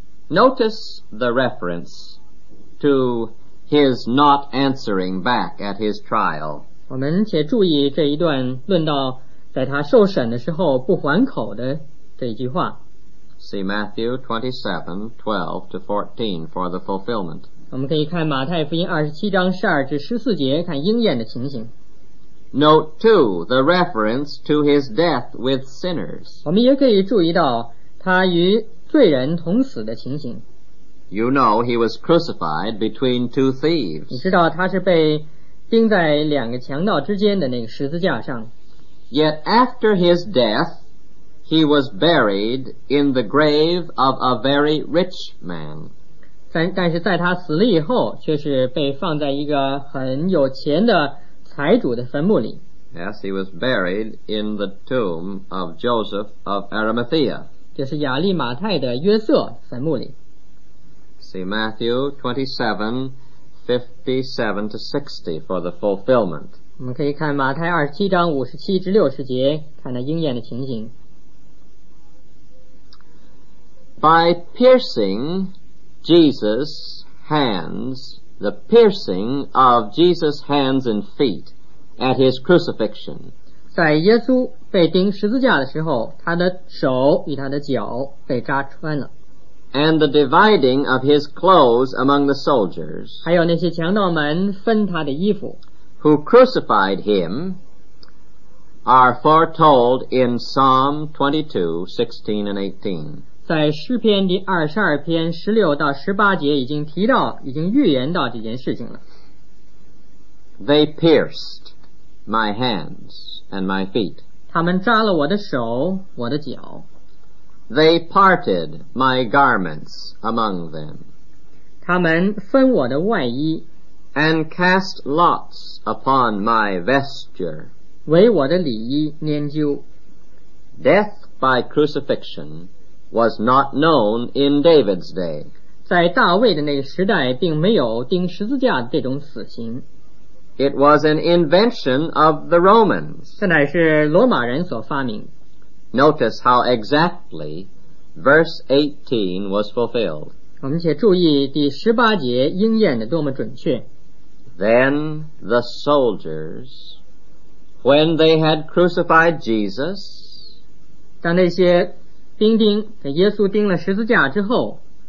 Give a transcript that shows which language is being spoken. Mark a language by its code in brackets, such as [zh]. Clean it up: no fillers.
[en] Notice the reference to His not answering back at his trial. [zh] 我们且注意这一段论到在他受审的时候不还口的这一句话。 [en] See Matthew 27:12-14 for the fulfillment. [zh] 我们可以看马太福音27:12-14看应验的情形。 [en] Note too the reference to his death with sinners. [zh] 我们也可以注意到他与罪人同死的情形。 [en] You know he was crucified between two thieves. [zh] 你知道他是被钉在两个强盗之间的那个十字架上。 [en] Yet after his death, he was buried in the grave of a very rich man. [zh] 但是在他死了以后，却是被放在一个很有钱的财主的坟墓里。 [en] Yes, he was buried in the tomb of Joseph of Arimathea. [zh] 就是亚利马太的约瑟坟墓里。 [en] See Matthew 27:57-60 for the fulfillment. [zh] 我们可以看马太27:57-60，看那应验的情形。 [en] By piercing Jesus' hands, the piercing of Jesus' hands and feet. At his crucifixion. [zh] 在耶稣被钉十字架的时候，他的手与他的脚被扎穿了。 [en] And the dividing of his clothes among the soldiers. [zh] 还有那些强盗们分他的衣服。 [en] Who crucified him are foretold in Psalm 22:16-18. [zh] 在诗篇第22:16-18已经提到，已经预言到这件事情了。 [en] They pierced. My hands and my feet. [zh] 他们扎了我的手，我的脚。 [en] They parted my garments among them. [zh] 他们分我的外衣。 [en] And cast lots upon my vesture. [zh] 为我的里衣拈阄。 [en] Death by crucifixion was not known in David's day. [zh] 在大卫的那个时代，并没有钉十字架这种死刑。 [en] It was an invention of the Romans. [zh] 这乃是罗马人所发明。 [en] Notice how exactly verse 18 was fulfilled. [zh] 我们且注意第十八节应验的多么准确。 [en] Then the soldiers, when they had crucified Jesus, [zh] 当那些兵丁给耶稣钉了十字架之后